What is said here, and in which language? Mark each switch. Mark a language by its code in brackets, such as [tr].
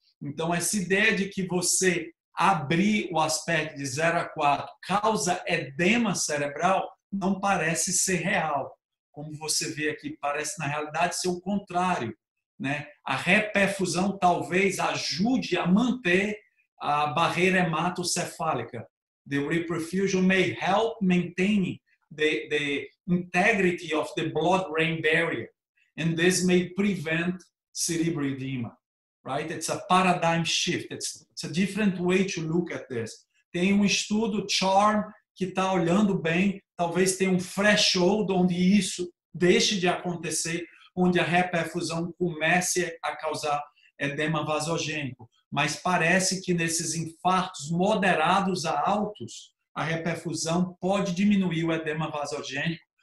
[pt] Então, essa ideia de que você abrir o aspecto de 0 a 4 causa edema cerebral não parece ser real. Como você vê aqui, parece na realidade ser o contrário, né? A reperfusão talvez ajude a manter a barreira hematocefálica. [en] The reperfusion may help maintain the integrity of the blood-brain barrier, and this may prevent cerebral edema, right? It's a paradigm shift. It's a different way to look at this. [pt] Tem um estudo, CHARM, que está olhando bem, talvez tenha um threshold onde isso deixe de acontecer, onde a reperfusão comece a causar edema vasogênico. Mas parece que nesses infartos moderados a altos, a reperfusão pode diminuir o edema vasogênico.